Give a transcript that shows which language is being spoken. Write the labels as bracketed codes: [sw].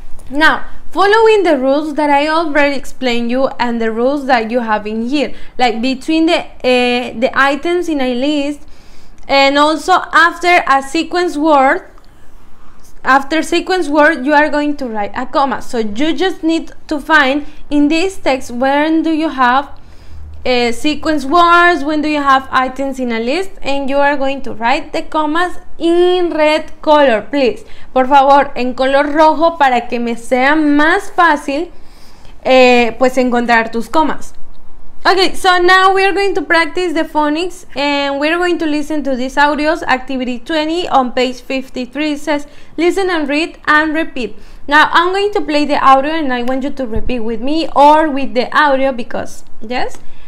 [en] Now, following the rules that I already explained you and the rules that you have in here, like between the items in a list and also after a sequence word, you are going to write a comma. So you just need to find in this text when do you have sequence words, when do you have items in a list, and you are going to write the commas in red color, please. [es] Por favor, en color rojo para que me sea más fácil pues encontrar tus commas. [en] Okay, so now we are going to practice the phonics and we are going to listen to these audios. Activity 20 on page 53 says, listen and read and repeat. Now I'm going to play the audio and I want you to repeat with me or with the audio because, yes?